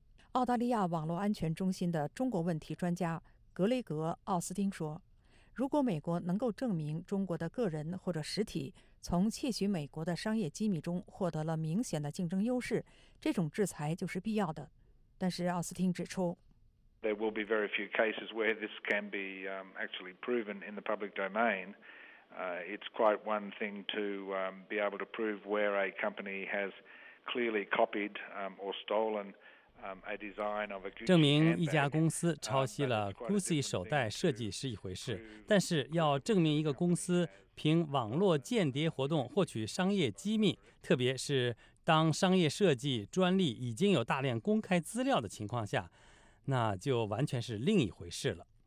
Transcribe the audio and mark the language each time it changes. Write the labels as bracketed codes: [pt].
[zh] 澳大利亚网络安全中心的中国问题专家格雷格·奥斯汀说，如果美国能够证明中国的个人或者实体从窃取美国的商业机密中获得了明显的竞争优势，这种制裁就是必要的。但是奥斯汀指出， [en] There will be very few cases where this can be actually proven in the public domain. It's quite one thing to be able to prove where a company has clearly copied or stolen a design of a Gucci. [zh] 证明一家公司抄袭了 Gucci 手袋设计是一回事，但是要证明一个公司凭网络间谍活动获取商业机密，特别是当商业设计专利已经有大量公开资料的情况下，那就完全是另一回事了。